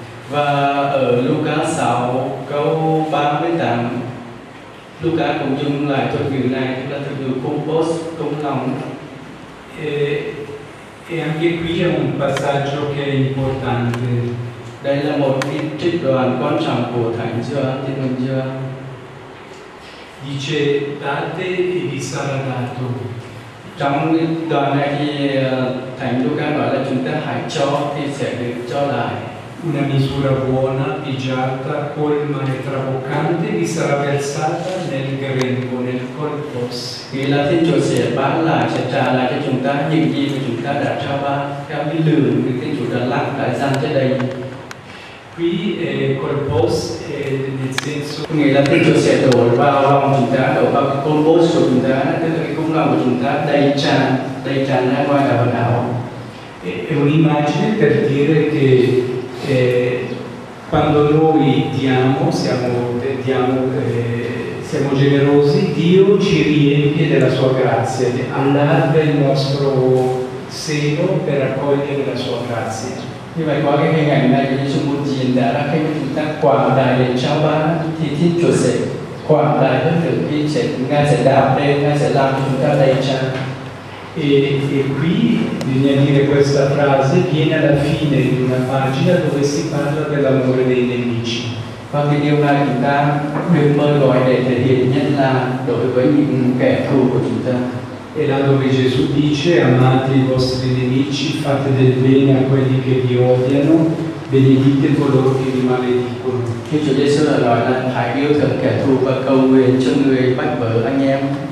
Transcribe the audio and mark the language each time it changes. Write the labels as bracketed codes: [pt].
[vi] Và ở Luca 6 câu 38 Luca cũng dùng lại thuật ngữ này, tức là thuật ngữ colpo cung lòng. [it] E anche qui è un passaggio che è importante. [vi] Đây là một cái trích đoạn quan trọng của Thánh Gioan Tin Mừng Gioan. [it] Dice date e vi sarà dato. [vi] Trong đoạn này thì Thánh Luca nói là chúng ta hãy cho thì sẽ được cho lại. [it] Una misura buona, pigiata, colma e traboccante vi sarà versata nel grembo, nel colpo. [vi] Nghĩa là Thiên Chúa sẽ ban lại, sẽ trả lại cho chúng ta những gì mà chúng ta đã trao ban, các cái lượng mà Thiên Chúa đã lặng đã dặn cho đây. [it] Qui è colpo è nel senso [vi] nghĩa là Thiên Chúa sẽ đổ vào lòng chúng ta, đổ vào cái colpo của chúng ta, tức là cái cung lòng của chúng ta đầy tràn ra ngoài cả phần nào. [it] È un'immagine per dire che quando noi diamo, siamo generosi, Dio ci riempie della sua grazia, allarga il nostro seno per accogliere la sua grazia. [vi] Như vậy qua cái hình ảnh này, Chúa muốn diễn đạt là khi chúng ta quảng đại để trao ban thì Thiên Chúa sẽ quảng đại hơn nữa, khi sẽ Ngài sẽ đạp lên, Ngài sẽ làm cho chúng ta đầy tràn. [it] E qui bisogna dire questa frase viene alla fine di una pagina dove si parla dell'amore dei nemici. [vi] Và cái điều này chúng ta được mời gọi để thể hiện nhất là đối với những kẻ thù của chúng ta. [it] E là dove Gesù dice amate i vostri nemici, fate del bene a quelli che vi odiano, benedite coloro che vi maledicono. [vi] Khi Chúa Giêsu nói là hãy yêu thương kẻ thù và cầu nguyện cho người bắt bớ anh em.